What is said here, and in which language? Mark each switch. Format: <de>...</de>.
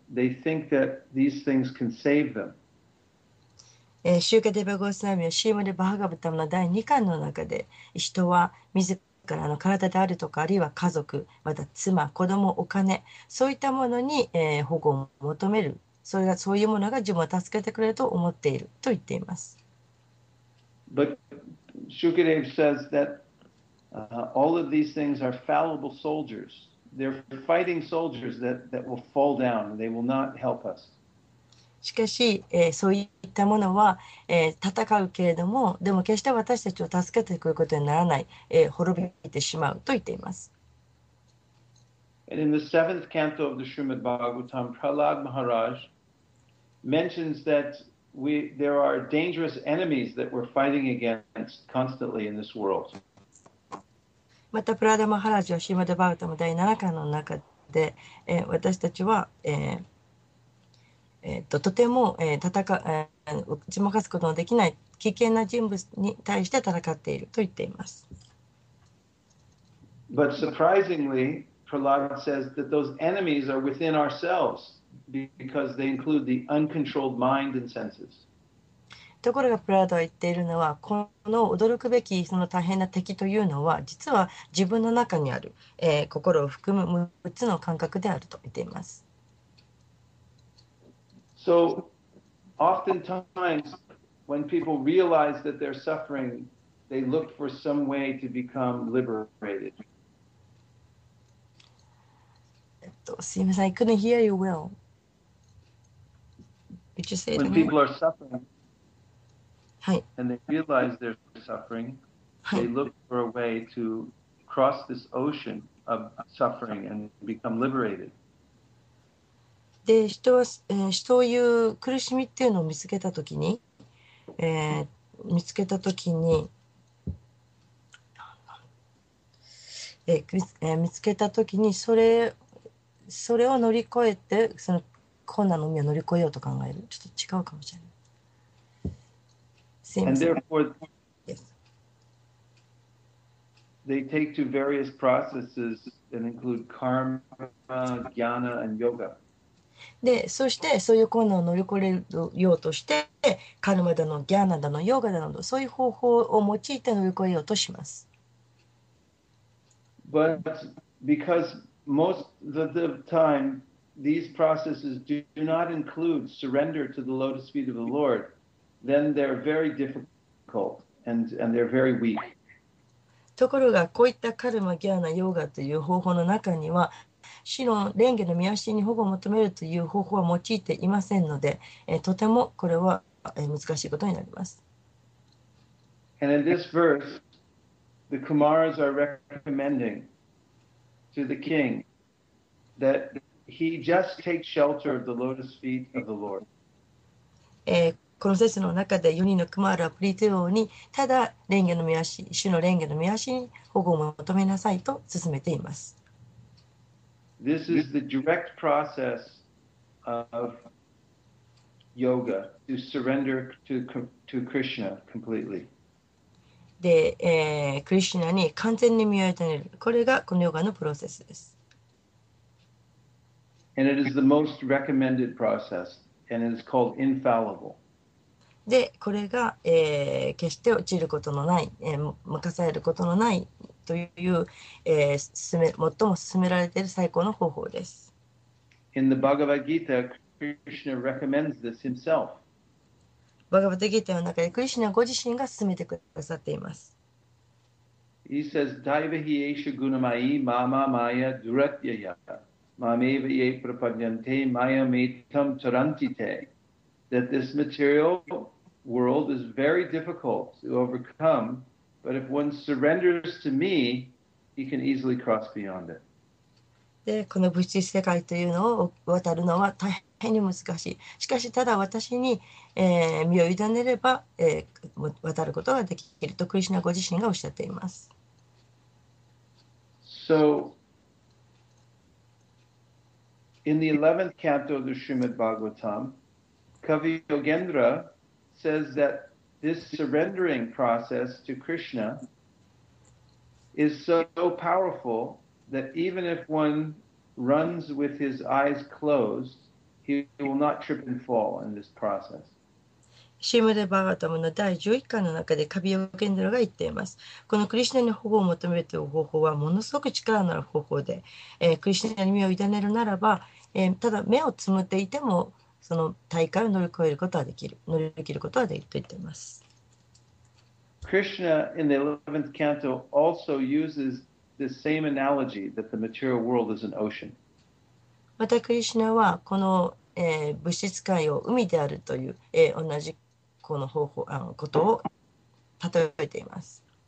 <en>They think that these things can save them.</en> <ja>シューカデバゴスナミはシーマデバハガブタムの第2巻の中で、人は自らの体であるとか、あるいは家族、また妻、子供、お金、そういったものに、保護を求める。それがそういうものが自分を助けてくれると思っていると言っています。</ja> <en>But Shukadeva says thatall of these things are fallible soldiers. They're fighting soldiers that will fall down. They will not help us.</en> <ja>しかし、そういったものは、戦うけれども、でも決して私たちを助けてくることにならない、滅びてしまうと言っています。</ja> <en>And in the seventh canto of the Srimad Bhagavatam, Prahlad Maharaj mentions that there are dangerous enemies that we're fighting against constantly in this world.</en> <ja>またプラダマハラジはシーマダバウタム第7巻の中で、私たちは、とても、打ち負かすことのできない危険な人物に対して戦っていると言っています。</ja> <en>But surprisingly, Prahlad says that those enemies are within ourselves because they include the uncontrolled mind and senses</en> <ja>ところがプラドは言っているのは、この驚くべきその大変な敵というのは、実は自分の中にある、心を含む6つの感覚であると言っています。</ja> <en>So, oftentimes, when people realize that they're suffering, they look for some way to become liberated.</en> <ja>すいません、</ja> <en>I couldn't hear you well. Did you say that? When people are suffering,</en> <ja>はい、</ja> <en>and they realize they're suffering, they look for a way to cross this ocean of suffering and become liberated.</en> <ja>で、人は、そういう苦しみっていうのを見つけたときに、見つけたときに、それを乗り越えて、その困難の海を乗り越えようと考える。ちょっと違うかもしれない。</ja> <en>And therefore, yes. They take to various processes that include karma, jnana, and yoga.</en> <ja>で、そしてそういう困難を乗り越えようとして、カルマだの、ギャーナだの、ヨガだの、そういう方法を用いて乗り越えようとします。</ja> <en>But because most of the time these processes do not include surrender to the lotus feet of the Lord.Then they're very difficult and they're very weak.</en> <ja>ところがこういったカルマ、ギャーナ、ヨーガという方法の中には死の蓮華の御足に保護を求めるという方法は用いていませんので、とてもこれは難しいことになります。</ja> <en>And in this verse, the Kumaras are recommending to the king that he just take shelter of the lotus feet of the Lord.</en> <ja>この説の中で4人のクマーラ、プリテ王にただ蓮華の御足、主の蓮華の御足に保護を求めなさいと勧めています。</ja> <en>This is the direct process of yoga to surrender to Krishna completely.</en> <ja>で、クリシュナに完全に身を委ねる、これがこのヨガのプロセスです。</ja> <en>And it is the most recommended process and it is called infallible.</en> <ja>で、これが、決して落ちることのない、任されることのないという、最も勧められている最高の方法です。</ja> <en>In the Bhagavad Gita, Krishna recommends this himself.</en> <ja>バガヴァッド・ギーターの中で、クリシュナご自身が勧めてくださっています。</ja> <en>He says,</en> <sa>Daivahiyesha gunamai mama maya duratyaya mameva ye prapanyante maya metam tarantite</sa> <en>that this material... world is very difficult to overcome, but if one surrenders to me, he can easily cross beyond it.</en> <ja>で、この物質世界というのを渡るのは大変に難しい。しかし、ただ私に、身を委ねれば、渡ることができるとクリシュナご自身がおっしゃっています。</ja> <en>So, in the 11th canto of the Srimad Bhagavatam, Kavi Yogendra. Says that this surrendering process to Krishna is so, so powerful that even if one runs with his eyes closed, he will not trip and fall in this process.</en> <ja>シムデバガタムの第11巻の中でカビヨゲンドラが言っています。このクリシナに保護を求めている方法はものすごく力のある方法で、クリシナに身を委ねるならば、ただ目をつむっていてもその大会を乗り越えることはできる、乗り切ることはできると言っています。</ja> <en>Krishna in the 11th canto also uses the same analogy that the material world is an ocean.</en> <ja>またクリシナはこの、物質界を海であるという、同じこの方法、ことを例えています。</ja>